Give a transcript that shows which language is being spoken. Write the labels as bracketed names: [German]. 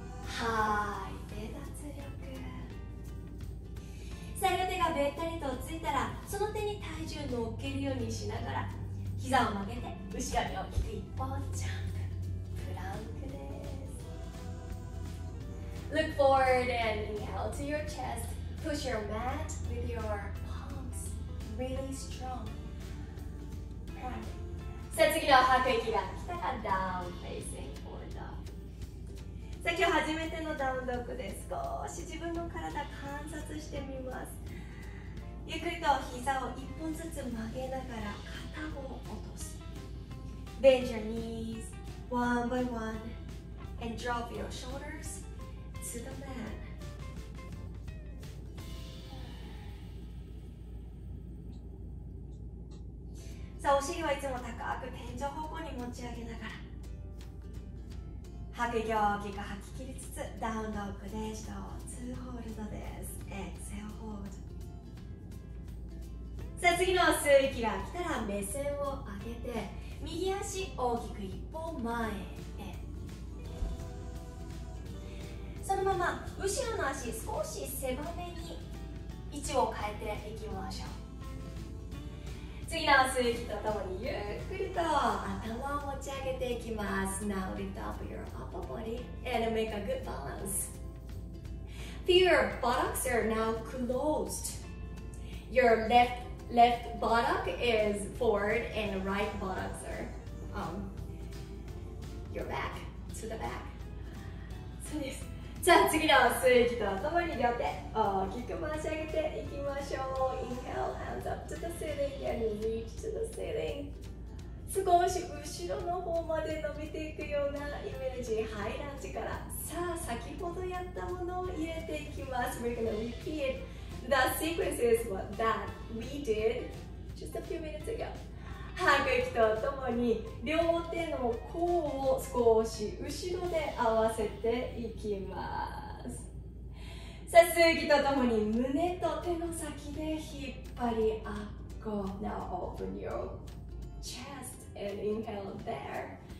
[Japanese] 吐いて脱力。さあ両手がべったりとついたら、その手に体重乗っけるようにしながら膝を曲げて、後ろに大きく一歩ジャンプ、プランクです。 [English] Look forward and inhale to your chest. Push your mat with your palms really strong. [Japanese] さあ次の吐く息が来たら [English] Down facing forward dog。 [Japanese] さあ今日初めてのダウンドッグです。少し自分の体観察してみます。ゆっくりと膝を一本ずつ曲げながら肩を落とす。 [English] Bend your knees one by one and drop your shoulders to the mat。 [Japanese] さあお尻はいつも高く天井方向に持ち上げながら、吐く息を大きく吐き切りつつ、ダウンドッグで下をツーホールドです。 [English] Exhale hold。 [Japanese] さあ次の吸う息が来たら目線を上げて、右足大きく一歩前へ、そのまま後ろの足少し狭めに位置を変えていきましょう。次の吸う息とともにゆっくりと頭を持ち上げていきます。 [English] Now lift up your upper body and make a good balance. Feel your buttocks are now closed. Your left buttock is forward and right buttocks are your back to the back。 [Japanese] そうです。じゃあ次の吸う息と頭に両手大きく回し上げていきましょう。 [English] Inhale hands up to the ceiling and reach to the ceiling。 [Japanese] 少し後ろの方まで伸びていくようなイメージ、ハイランジから、さあ先ほどやったものを入れていきます。 [English] We're gonna repeatThe sequence is what that we did just a few minutes ago。 [Japanese] 吐く息とともに両手の甲を少し後ろで合わせていきます。さあ吸う息とともに胸と手の先で引っ張りアッコ。 [English] Now open your chest and inhale there.